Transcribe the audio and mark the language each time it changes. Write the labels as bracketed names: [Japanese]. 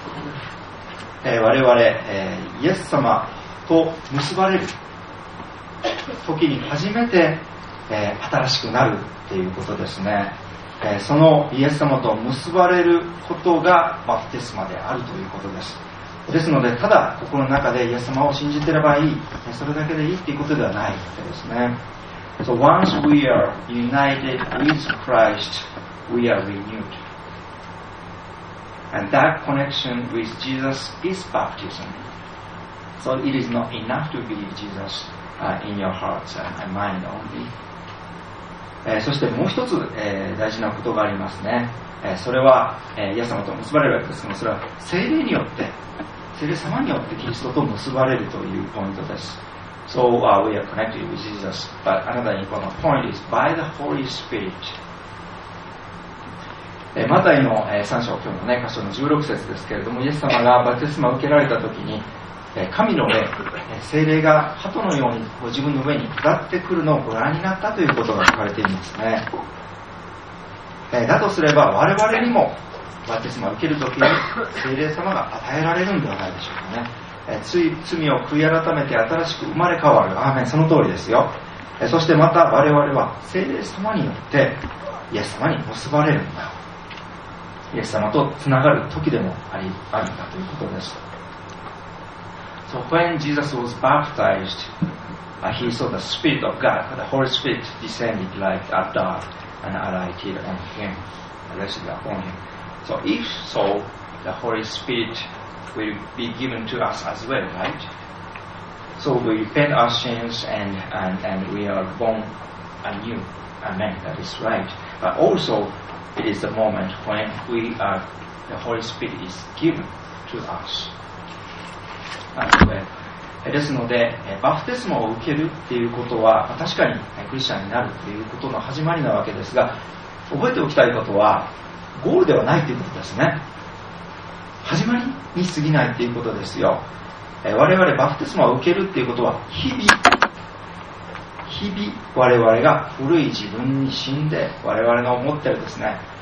[Japanese] 我々、イエス様と結ばれる時に初めて、新しくなるっていうことですね、そのイエス様と結ばれることがバプテスマであるということです。ですので、ただ心の中でイエス様を信じてればいい、それだけでいいっていうことではないってですね。 [English] So once we are united with Christ, we are renewed. And that connection with Jesus is baptism. So it is not enough to believe Jesus, in your heart and mind only. [Japanese] そしてもう一つ、大事なことがありますね。それは、イエス様と結ばれるわけですけども、それは聖霊によって、聖霊様によってキリストと結ばれるというポイントです。 [English] So we are connected with Jesus. But another important point is by the Holy Spirit. [Japanese] マタイの3章、今日の箇所の16節ですけれども、イエス様がバテスマを受けられたときに、神の霊、聖霊が鳩のように自分の上に下ってくるのをご覧になったということが書かれていますね。だとすれば、我々にもバテスマを受けるときに聖霊様が与えられるのではないでしょうかね。罪を悔い改めて新しく生まれ変わる、アーメン、その通りですよ。そしてまた我々は聖霊様によってイエス様に結ばれるんだ、イエス様とつながる時でもあり、あるんだということです。 [English] So when Jesus was baptized, he saw the Spirit of God, the Holy Spirit descended like a dove and alighted on him, rested upon him. So if so, the Holy Spiritwill be given to us as well, right? So we repent our sins and we are born anew. Amen. That is right. But also, it is the moment when we are, the Holy Spirit is given to us. As well. [Japanese] ですので、バプテスマを受けるっていうことは、確かにクリスチャンになるっていうことの始まりなわけですが、覚えておきたいことは、ゴールではないということですね。始まりに過ぎないということですよ。我々バプテスマを受けるということは、日々我々が古い自分に死んで、我々が思っているですね、